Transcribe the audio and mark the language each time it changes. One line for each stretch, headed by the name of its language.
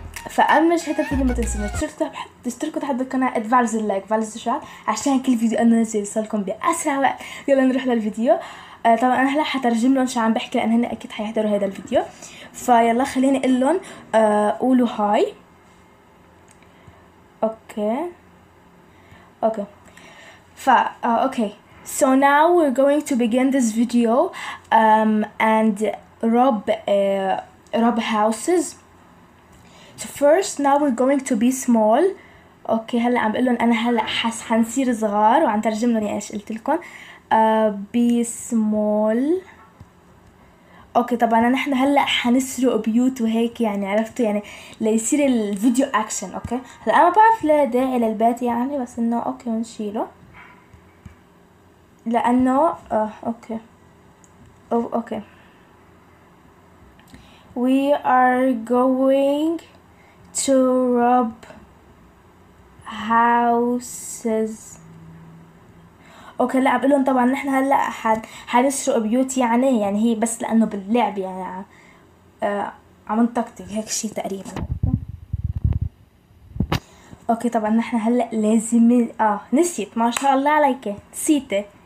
Arabic: فأنا مش هتف اللي ما تنسوا تشتركوا تحت القناة، ادفعوا زر لايك فعلوا زر الاشعار عشان كل فيديو أنا نزل يوصلكم بأسرع وقت. يلا نروح للفيديو. طبعا أنا هلا حترجم لهم شو عم بحكي لأن هن أكيد حيحضروا هذا الفيديو. فيلا خليني أقول لهم قولوا هاي.
English: Okay okay so now we're going to begin this video and rob houses. So first, now we're going to be small.
Arabic: Okay, هلا عم بقول لهم أنا هلا حنصير صغار وعم ترجم لهم إيش قلت لكم.
English: Be small.
Arabic: Okay, طبعا نحن هلا حنسرق بيوت وهيك يعني، عرفتوا يعني ليصير الفيديو أكشن. Okay, هلا أنا بعرف لا داعي للبيت يعني، بس إنه أوكي ونشيله لأنه أوكي.
English: We are going to rob houses.
Arabic: اوكي لا عم بقول لهم طبعا نحن هلا حنسرق بيوت يعني، يعني هي بس لانه باللعب يعني عم منطقتي هيك شيء تقريبا. اوكي طبعا نحن هلا لازم نسيت، ما شاء الله عليك نسيتي.